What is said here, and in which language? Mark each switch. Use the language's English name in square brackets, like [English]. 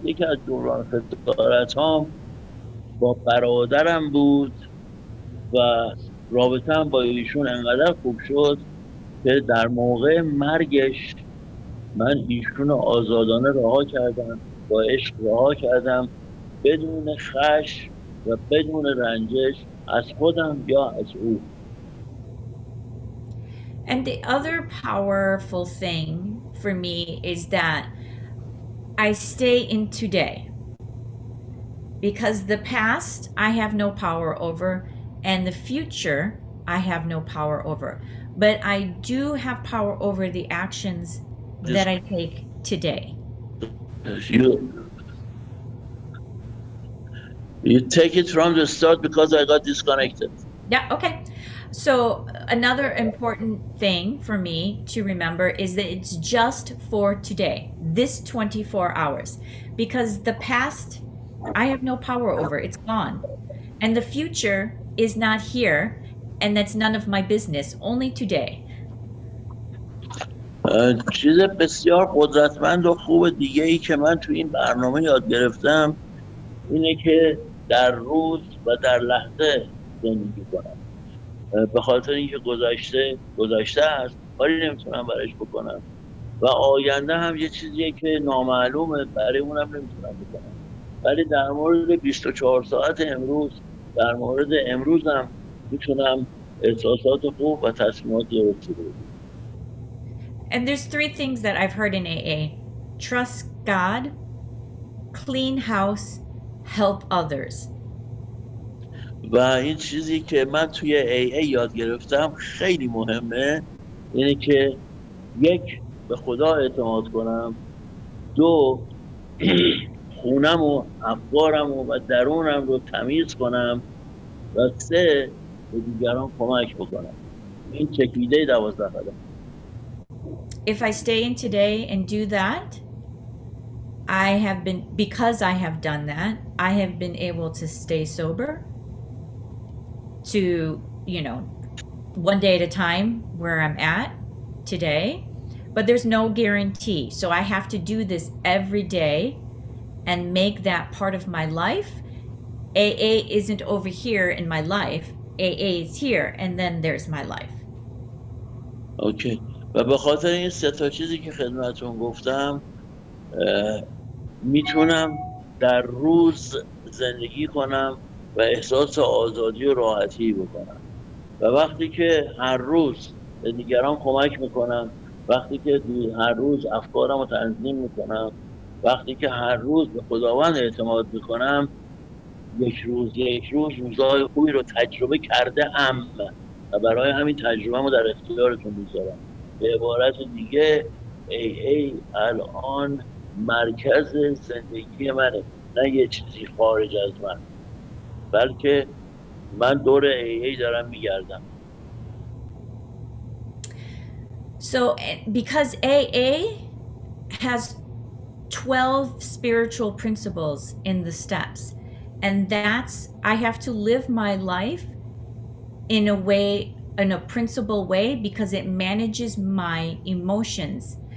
[Persian] یکی از جبران خسارت هام با برادرم بود و رابطه هم با ایشون انقدر خوب شد که در موقع مرگش من ایشون رو آزادانه رها کردم، با عشق رها کردم بدون خش و بدون رنجش از خودم یا از او. [English] And the other powerful thing for me is that I stay in today. Because the past I have no power over and the future I have no power over. But I do have power over the actions that I take today. You take it from the start because I got disconnected. Yeah, okay. So another important thing for me to remember is that it's just for today, this 24 hours. Because the past, I have no power over, it's gone. And the future is not here, and that's none of my business, only today. [Persian] چیز بسیار قدرتمند و خوب دیگه ای که من تو این برنامه یاد گرفتم اینه که در روز و در لحظه زندگی کنم. به خاطر اینکه گذشته گذشته است، کاری نمیتونم برش بکنم و آینده هم یه چیزیه که نامعلومه، برای اونم نمیتونم بکنم. ولی در مورد 24 ساعت امروز، در مورد امروزم میتونم احساسات خوب و تصمیمات درست بگیرم. [English] And there's three things that I've heard in AA: trust God, clean house, help others. [Persian] و این چیزی که من توی AA یاد گرفتم خیلی مهمه، اینه که یک به خدا اعتماد کنم، دو خونم و افکارم و درونم رو تمیز کنم و سه به دیگران کمک بکنم. این چکیده 12 قدم. [English] If I stay in today and do that, I have been, because I have done that, I have been able to stay sober to, you know, one day at a time where I'm at today, but there's no guarantee. So I have to do this every day and make that part of my life. AA isn't over here in my life. AA is here, and then there's my life. Okay. [Persian] و به خاطر این سه تا چیزی که خدمتون گفتم میتونم در روز زندگی کنم و احساس آزادی و راحتی بکنم و وقتی که هر روز دیگران کمک میکنم، وقتی که هر روز افکارم رو تنظیم میکنم، وقتی که هر روز به خداوند اعتماد میکنم، یک روز روزهای خوبی رو تجربه کرده ام و برای همین تجربه رو در اختیارتون میذارم. به عبارت دیگه AA الان مرکز زندگی منه، نه یه چیزی خارج از من، بلکه من دور AA دارم میگردم. [English] So because AA has 12 spiritual principles in the steps, and that's, I have to live my life in a way, in a principle way, because it manages my emotions.